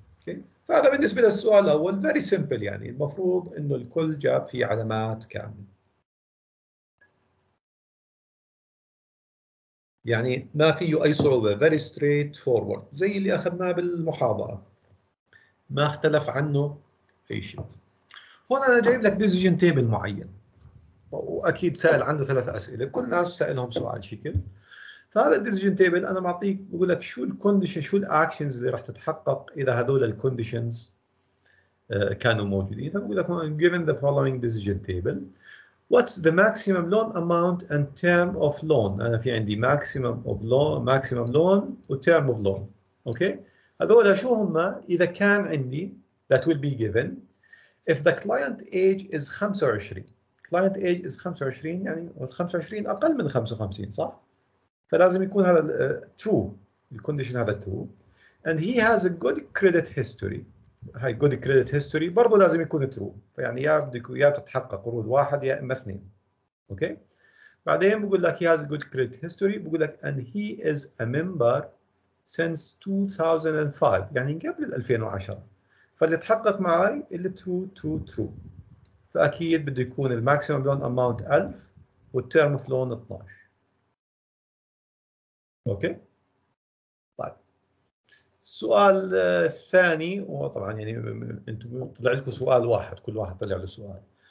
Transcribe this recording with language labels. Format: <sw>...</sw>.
<ar>اوكي، فهذا بالنسبه للسؤال الاول فيري سمبل، يعني المفروض انه الكل جاب فيه علامات كامله، يعني ما فيه أي صعوبة،</ar> <en>very straight forward</en> <ar>زي اللي أخذناه بالمحاضرة، ما اختلف عنه أي شيء. هنا أنا جايب لك decision table معين، وأكيد سأل عنه 3 أسئلة، كل ناس سألهم سؤال شكل. فهذا الديسيجن تيبل انا معطيك بقول لك شو الكونديشن، شو الاكشنز اللي راح تتحقق اذا هذول الكونديشنز كانوا موجودين. فبقول لك</ar> <en>given the following decision table, what's the maximum loan amount and term of loan.</en> <ar>انا في عندي</ar> <en>maximum of loan, maximum loan و term of loan. Okay okay.</en> <ar>هذول شو هم اذا كان عندي</ar> <en>that will be given if the client age is 25. client age is 25</en> <ar>يعني 25 اقل من 55 صح، فلازم يكون هذا true الكونديشن هذا true.</ar> <en>And he has a good credit history.</en> <ar>هاي</ar> <en>good credit history</en> <ar>برضو لازم يكون true. يعني يا بدك يا بتتحقق قروض واحد يا اما اثنين. اوكي بعدين بقول لك</ar> <en>he has a good credit history،</en> <ar>بقول لك</ar> <en>and he is a member since 2005</en> <ar>يعني قبل 2010. فاللي تحقق معي اللي true true true. فاكيد بده يكون الماكسيمم لون اماونت 1000 والترم اوف لون 12. اوكي طيب السؤال الثاني، وطبعا يعني انتم طلع لكم سؤال واحد، كل واحد طلع له سؤال.</ar>